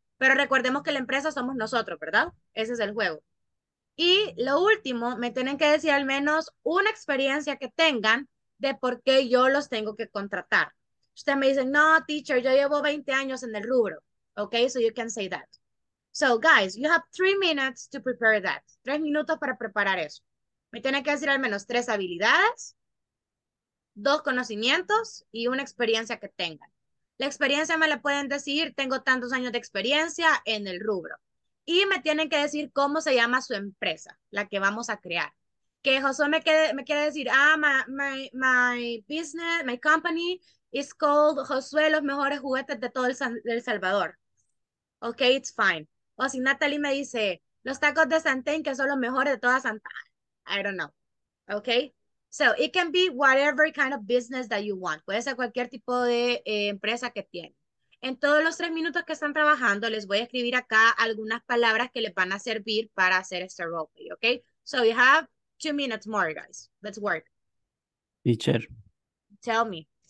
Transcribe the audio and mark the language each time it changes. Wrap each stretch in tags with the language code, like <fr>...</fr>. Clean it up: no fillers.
<es>Pero recordemos que la empresa somos nosotros, ¿verdad? Ese es el juego. Y lo último, me tienen que decir al menos una experiencia que tengan de por qué yo los tengo que contratar. Usted me dice, no, teacher, yo llevo 20 años en el rubro.</es> <en>Ok, so you can say that. So, guys, you have 3 minutes to prepare that.</en> <es>3 minutos para preparar eso. Me tienen que decir al menos 3 habilidades, 2 conocimientos y una experiencia que tengan. La experiencia me la pueden decir, tengo tantos años de experiencia en el rubro. Y me tienen que decir cómo se llama su empresa, la que vamos a crear. Que José me quiere decir, ah,</es> <en>my business, my company is called Josué,</en> <es>los mejores juguetes de todo El Salvador. Ok,</es> <en>it's fine.</en> <es>O si Natalie me dice, los tacos de Santén, que son los mejores de toda Santa.</es> <en>I don't know. Ok. So, it can be whatever kind of business that you want.</en> <es>Puede ser cualquier tipo de empresa que tiene. En todos los 3 minutos que están trabajando, les voy a escribir acá algunas palabras que les van a servir para hacer este roleplay, ¿ok?</es> <en>So, you have 2 minutes more, guys. Let's work. Teacher. Tell me.</en>